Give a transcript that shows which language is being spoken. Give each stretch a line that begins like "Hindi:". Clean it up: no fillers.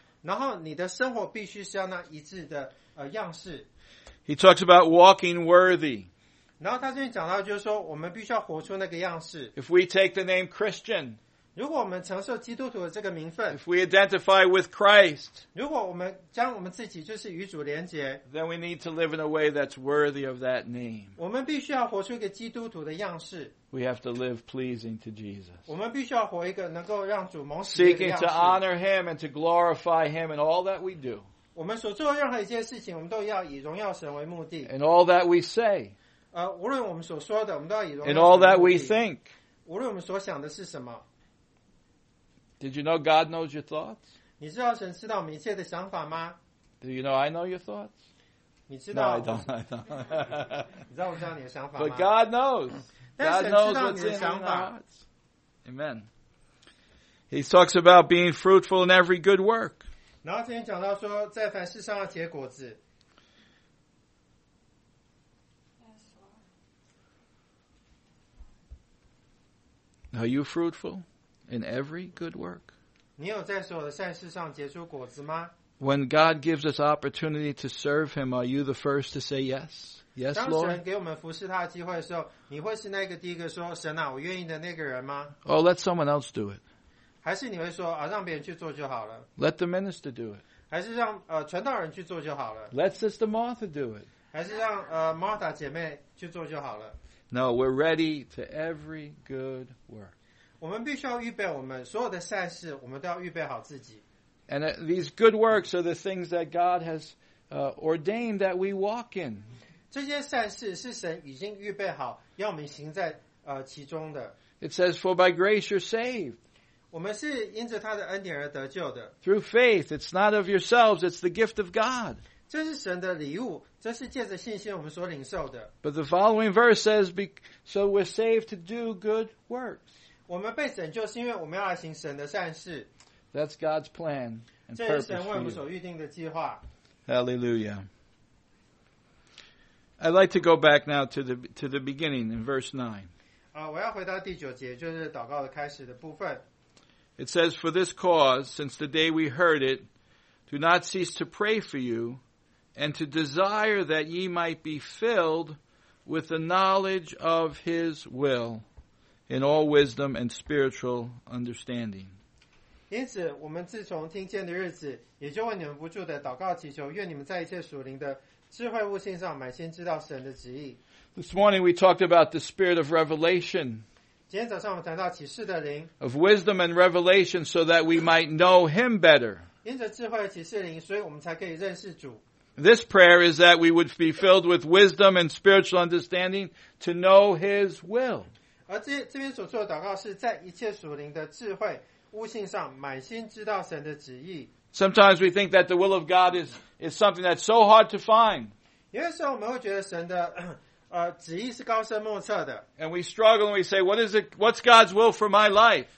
Chinese: 然后你的生活必须是要那一致的样式
English: He talks about walking worthy.
Chinese: 然后他这边讲到就是说我们必须要活出那个样式
English: If we take the name Christian,
Chinese: 如果我们承受基督徒的这个名分
English: If we identify with Christ,
Chinese: 如果我们将我们自己就是与主连结
English: then we need to live in a way that's worthy of that name.
Chinese: 我们必须要活出一个基督徒的样式
English: We have to live pleasing to Jesus.
Chinese: 我们必须要活一个能够让主蒙喜悦的样式
English: Seeking to honor Him and to glorify Him in all that we do.
Chinese: 我们所做的任何一件事情我们都要以荣耀神为目的
English: In all that we say,
Chinese: 无论我们所说的我们都要以荣耀神
English: In all that we think,
Chinese: 无论我们所想的是什么
English: Did you know God knows your thoughts?
Chinese: 你知道神知道我们一切的想法吗？
English: Do you know I know your thoughts?
Chinese: 你知道？
English: No, I don't. I don't.
Chinese: 你知道我知道你的想法吗？
English: But God knows.
Chinese: 但神知道你的想法。
English: Amen. He talks about being fruitful in every good work.
Chinese: 然后这边讲到说，在凡事上要结果子。
English: Are you fruitful in every good work?
Chinese: 你有在所有的善事上结出果子吗？
English: When God gives us opportunity to serve Him, are you the first to say yes? Yes, Lord.
Chinese: 当神给我们服侍他的机会的时候，你会是那个第一个说神啊，我愿意的那个人吗？
English: Oh, let someone else do it.
Chinese: 还是你会说啊，让别人去做就好了。
English: Let the minister do it.
Chinese: 还是让传道人去做就好了。
English: Let Sister Martha do it.
Chinese: 还是让Martha 姐妹去做就好了。
English: No, we're ready to every good work.
Chinese: 我们必须要预备我们所有的善事，我们都要预备好自己。
English: And these good works are the things that God has ordained that we walk in.
Chinese: 这些善事是神已经预备好要我们行在其中的。
English: It says, "For by grace you're saved."
Chinese: 我们是因着他的恩典而得救的。
English: Through faith, it's not of yourselves; it's the gift of God.
Chinese: 这是神的礼物。这是借着信心我们所领受的。
English: But the following verse says, "So we're saved to do good works."
Chinese: 我们被拯救是因为我们要来行神的善事。
English: That's God's plan and purpose for you.
Chinese: 这是神为我们所预定的计划。
English: Hallelujah. I'd like to go back now to the beginning in verse 9.
Chinese: 我要回到第九节，就是祷告的开始的部分。
English: It says, "For this cause, since the day we heard it, do not cease to pray for you." And to desire that ye might be filled with the knowledge of His will in all wisdom and spiritual understanding.
Chinese: 因此，我们自从听见的日子，也就为你们不住的祷告祈求，愿你们在一切属灵的智慧悟性上满心知道神的旨意。
English: This morning we talked about the spirit of revelation.
Chinese: 今天早上我们谈到启示的灵。
English: Of wisdom and revelation, so that we might know Him better.
Chinese: 因着智慧启示灵，所以我们才可以认识主。
English: This prayer is that we would be filled with wisdom and spiritual understanding to know His will.
Chinese: 而这边所做的祷告是在一切属灵的智慧悟性上满心知道神的旨意。
English: Sometimes we think that the will of God is something that's so hard to find.
Chinese: 有的时候我们会觉得神的旨意是高深莫测的。
English: And we struggle and we say, what's God's will for my life?